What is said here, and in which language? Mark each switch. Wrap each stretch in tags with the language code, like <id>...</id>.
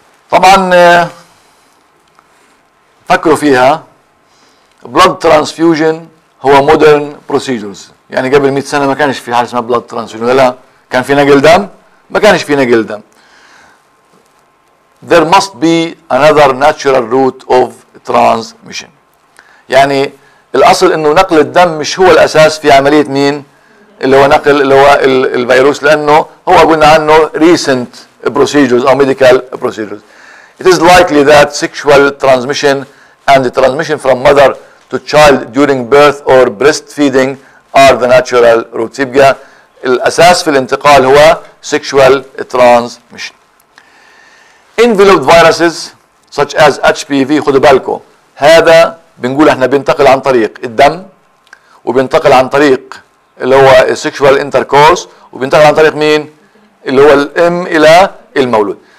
<ar>طبعا فكروا فيها, blood transfusion هو modern procedures, يعني قبل 100 سنه ما كانش في حاجه اسمها blood transfusion, لا كان في نقل دم, ما كانش في نقل دم.</ar> <en>There must be another natural route of transmission.</en> <ar>يعني الأصل إنه نقل الدم مش هو الأساس في عملية مين؟ اللي هو نقل اللي هو الفيروس, لأنه هو قلنا عنه recent procedures أو medical procedures.</ar> <en>It is likely that sexual transmission and the transmission from mother to child during birth or breastfeeding are the natural routes.</en> <ar>يبقى الأساس في الانتقال هو sexual transmission.</ar> <en>Enveloped viruses such as HPV,</en> <ar>خدوا بالكو, هذا بنقول احنا بينتقل عن طريق الدم, وبينتقل عن طريق اللي هو sexual intercourse, وبينتقل عن طريق مين؟ اللي هو الام الى المولود.</ar>